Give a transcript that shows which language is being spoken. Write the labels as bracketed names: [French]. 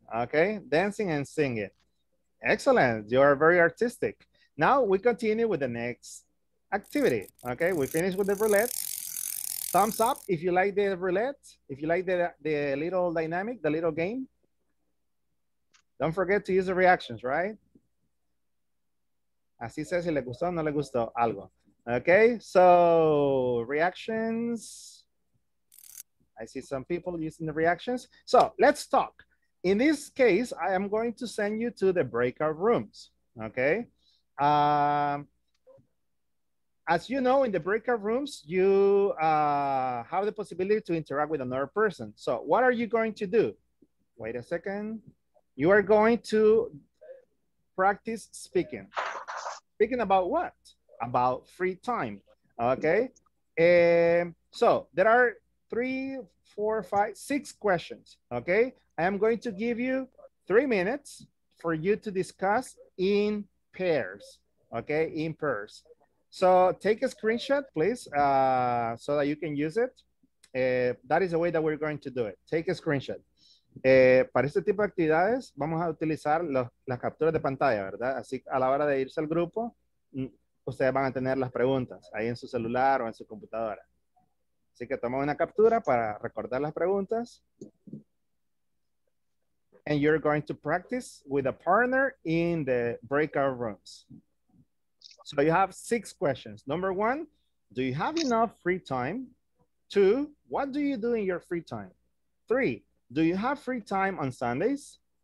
[English] Okay. Dancing and singing. Excellent. You are very artistic. Now we continue with the next activity. Okay. We finish with the roulette. Thumbs up if you like the roulette, if you like the little dynamic, the little game. Don't forget to use the reactions, right? [Spanish] Así sé si le gustó o no le gustó algo. [English] Okay, so reactions. I see some people using the reactions. So let's talk. In this case, I am going to send you to the breakout rooms. Okay. As you know, in the breakout rooms, you have the possibility to interact with another person. So what are you going to do? Wait a second. You are going to practice speaking. Speaking about what? About free time, okay? So there are 3, 4, 5, 6 questions, okay? I am going to give you 3 minutes for you to discuss in pairs, okay, in pairs. So take a screenshot, please, so that you can use it. That is the way that we're going to do it. Take a screenshot. [Spanish] Para este tipo de actividades, vamos a utilizar las capturas de pantalla, ¿verdad? Así, a la hora de irse al grupo, ustedes van a tener las preguntas ahí en su celular o en su computadora. Así que toma una captura para recordar las preguntas. [English] And you're going to practice with a partner in the breakout rooms. So you have 6 questions. Number 1, do you have enough free time? 2, what do you do in your free time? 3, do you have free time on Sundays?